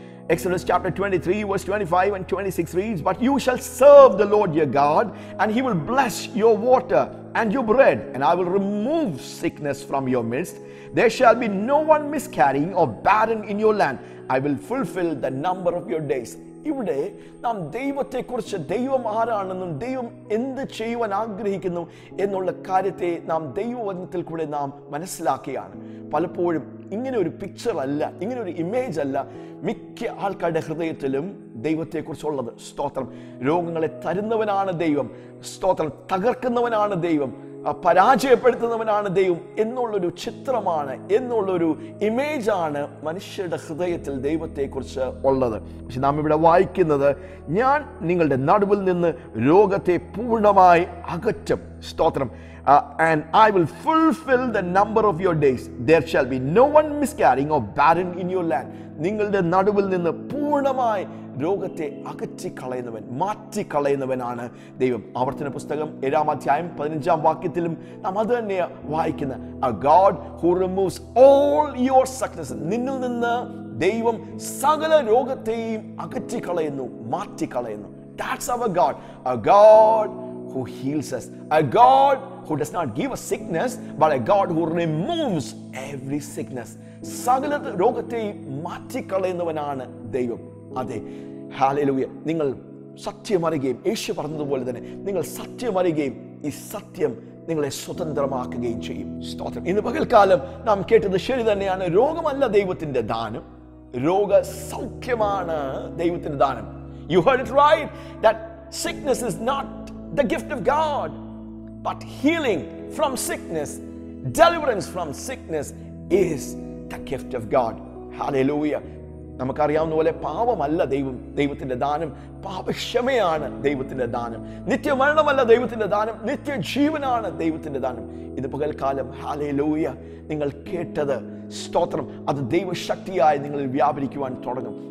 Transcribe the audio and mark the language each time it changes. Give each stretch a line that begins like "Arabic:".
English: Exodus chapter 23 verse 25 and 26 reads, But you shall serve the Lord your God, and he will bless your water and your bread, and I will remove sickness from your midst. There shall be no one miscarrying or barren in your land. I will fulfill the number of your days.
Malayalam: ഇവിടെ നാം ദൈവത്തെക്കുറിച്ച്, ദൈവം ആരാണെന്നും, ദൈവം എന്ത് ചെയ്യുവാൻ ആഗ്രഹിക്കുന്നു എന്നുള്ള കാര്യത്തെ നാം ദൈവവചനത്തിൽ കൂടെ നാം മനസ്സിലാക്കുകയാണ്. പലപ്പോഴും ഇങ്ങനെ ഒരു പിക്ചർ അല്ല, ഇങ്ങനെ ഒരു ഇമേജ് അല്ല മിക്ക ആൾക്കാരുടെ ഹൃദയത്തിലും ദൈവത്തെക്കുറിച്ചുള്ളത്. സ്തോത്രം, രോഗങ്ങളെ തരുന്നവനാണ് ദൈവം. സ്തോത്രം, തകർക്കുന്നവനാണ് ദൈവം, പരാജയപ്പെടുത്തുന്നവനാണ് ദൈവം എന്നുള്ളൊരു ചിത്രമാണ്, എന്നുള്ളൊരു ഇമേജാണ് മനുഷ്യരുടെ ഹൃദയത്തിൽ ദൈവത്തെക്കുറിച്ച് ഉള്ളത്. പക്ഷെ നാം ഇവിടെ വായിക്കുന്നത്, ഞാൻ നിങ്ങളുടെ നടുവിൽ നിന്ന് രോഗത്തെ പൂർണ്ണമായി അകറ്റും. സ്തോത്രം.
English: And I will fulfill the number of your days. There shall be no one miscarrying or barren in your land.
Malayalam: നിങ്ങളുടെ നടുവിൽ നിന്ന് പൂർണ്ണമായി രോഗത്തെ അകറ്റിക്കളയുന്നവൻ, മാറ്റിക്കളയുന്നവനാണ് ദൈവം. ആവർത്തന പുസ്തകം 7:15 നാം അത് തന്നെയാണ് വായിക്കുന്നത്.
English: A God who removes all your sickness.
Malayalam: നിന്നിൽ നിന്ന് ദൈവം സകല രോഗത്തെയും അകറ്റിക്കളയുന്നു, മാറ്റിക്കളയുന്നു.
English: That's our God. A God who heals us. A God who does not give us sickness, but a God who removes every sickness.
Malayalam: സകല രോഗത്തെയും മാറ്റിക്കളയുന്നവനാണ് ദൈവം. അതെ, ഹാലലൂയ. നിങ്ങൾ സത്യമറിയുകയും, യേശു പറഞ്ഞതുപോലെ തന്നെ നിങ്ങൾ സത്യമറിയുകയും ഈ സത്യം നിങ്ങളെ സ്വതന്ത്രമാക്കുകയും ചെയ്യും. സ്തോത്രം. ഇന്ന് പകൽക്കാലം നാം കേട്ടത് ശരി തന്നെയാണ്. രോഗമല്ല ദൈവത്തിൻ്റെ ദാനം, രോഗസൗഖ്യമാണ് ദൈവത്തിൻ്റെ ദാനം.
English: You heard it right, that sickness is not the gift of God, but healing from sickness, deliverance from sickness is the gift of God. Hallelujah.
Malayalam: നമുക്കറിയാവുന്ന പോലെ പാപമല്ല ദൈവം ദൈവത്തിൻ്റെ ദാനം, പാപക്ഷമയാണ് ദൈവത്തിൻ്റെ ദാനം. നിത്യമരണമല്ല ദൈവത്തിൻ്റെ ദാനം, നിത്യജീവനാണ് ദൈവത്തിൻ്റെ ദാനം. ഇത് പകൽക്കാലം, ഹാലലൂയ, നിങ്ങൾ കേട്ടത്, സ്തോത്രം, അത് ദൈവശക്തിയായി നിങ്ങളിൽ വ്യാപരിക്കുവാൻ തുടങ്ങും.